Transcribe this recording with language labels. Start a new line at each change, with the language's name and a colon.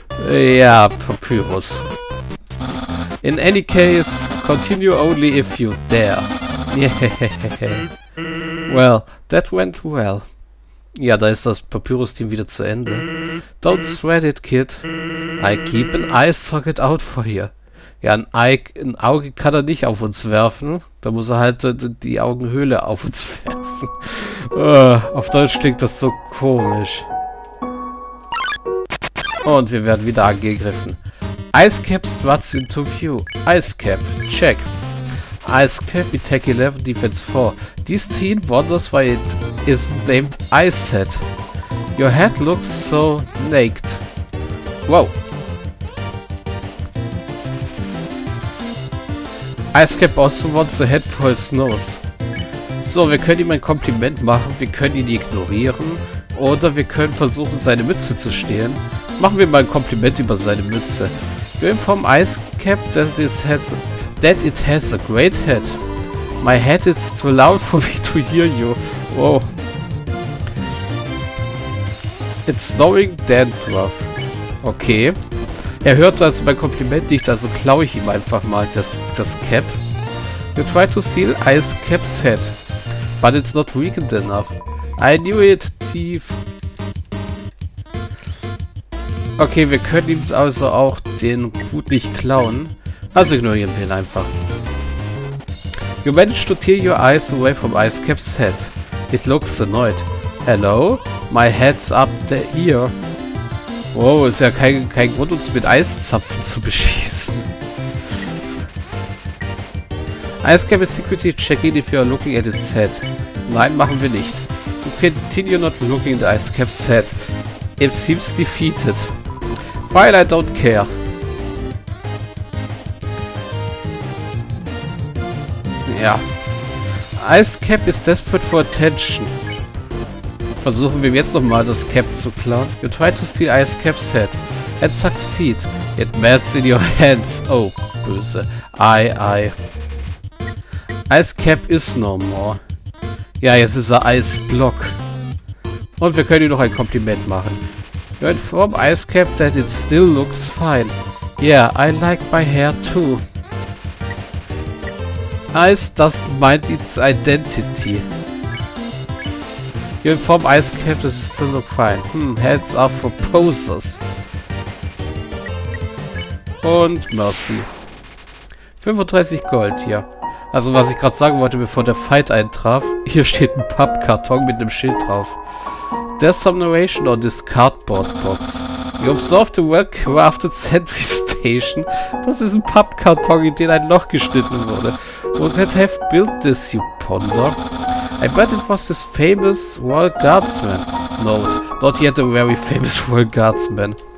English: Ja, Papyrus. In any case, continue only if you dare. Yeah. Well, that went well.
German: Ja, da ist das Papyrus-Team wieder zu Ende.
English: Don't sweat it, kid. I keep an eye socket out for you.
German: Ja, ein Auge kann er nicht auf uns werfen. Da muss er halt die Augenhöhle auf uns werfen. Auf Deutsch klingt das so komisch. Und wir werden wieder angegriffen.
English: Ice Cap struts into view. Ice Cap, check. Ice Cap, attack 11, defense 4. This teen wonders why it is named Ice Head. Your head looks so naked. Wow. Ice Cap also wants a head for his nose.
German: So, wir können ihm ein Kompliment machen, wir können ihn ignorieren oder wir können versuchen, seine Mütze zu stehlen. Machen wir mal ein Kompliment über seine Mütze. Wir informen
English: Ice Cap, that it has a great head. My head is too loud for me to hear you. Wow. It's snowing dandruff. Okay.
German: Er hört also mein Kompliment nicht, also klaue ich ihm einfach mal das Cap.
English: You try to steal Ice Cap's head. But it's not weakened enough. I knew it, Thief.
German: Okay, wir können ihm also auch den Hut nicht klauen. Also ignorieren wir ihn einfach.
English: You managed to tear your eyes away from Ice Cap's head. It looks annoyed. Hello? My head's up there here.
German: Wow, ist ja kein Grund, uns mit Eiszapfen zu beschießen.
English: Ice Cap is secretly checking if you are looking at its head.
German: Nein, machen wir nicht.
English: You continue not looking at Ice Cap's head. It seems defeated. While I don't care. Ja. Ice Cap is desperate for attention.
German: Versuchen wir jetzt nochmal das Cap zu klauen.
English: You try to steal Ice Cap's head. And succeed. It melts in your hands.
German: Oh, böse.
English: Ice Cap is no more.
German: Ja, jetzt ist er Eisblock. Und wir können ihm noch ein Kompliment machen.
English: You inform Ice Cap that it still looks fine. Yeah, I like my hair too. Ice doesn't mind its identity. You inform Ice Cap that it still looks fine. Heads are for posers.
German: Und Mercy. 35 Gold hier. Also was ich gerade sagen wollte, bevor der Fight eintraf. Hier steht ein Pappkarton mit einem Schild drauf.
English: There's some narration on this cardboard box. You observe the well-crafted sentry station.
German: Das ist ein Pappkarton, in den ein Loch geschnitten wurde.
English: Would that have built this, you ponder? I bet it was this famous royal guardsman. Note, not yet a very famous royal guardsman.